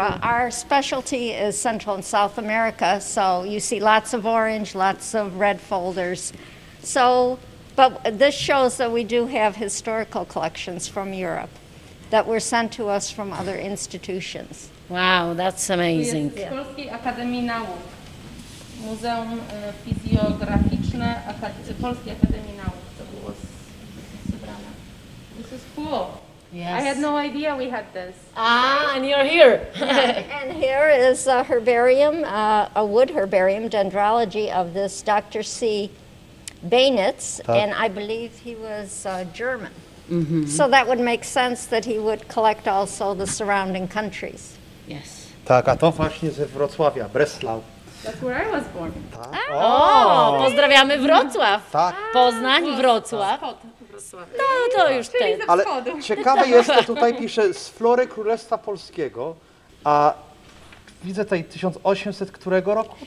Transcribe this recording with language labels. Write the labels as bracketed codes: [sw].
[en] Our specialty is Central and South America, so you see lots of orange, lots of red folders. So, but this shows that we do have historical collections from Europe that were sent to us from other institutions. Wow, that's amazing. [pl] Jest Polskiej Akademii Nauk. Muzeum Fizjograficzne Polskiej Akademii Nauk. To było zebrane. [en] This is cool. Yes. I had no idea we had this. Ah, right? And you're here. And here is a herbarium, a wood herbarium, dendrology of this Dr. C. Beinitz. And I believe he was German. Mm-hmm. So that would make sense that he would collect also the surrounding countries. Yes. [pl] Tak, a to właśnie ze Wrocławia, Breslau. [en] That's where I was born. [pl] Tak. Pozdrawiamy Wrocław. Tak. Poznań, Wrocław. No to już czyli ten. Ale ciekawe jest, to tutaj pisze z flory Królestwa Polskiego, a widzę tutaj 1800 którego roku?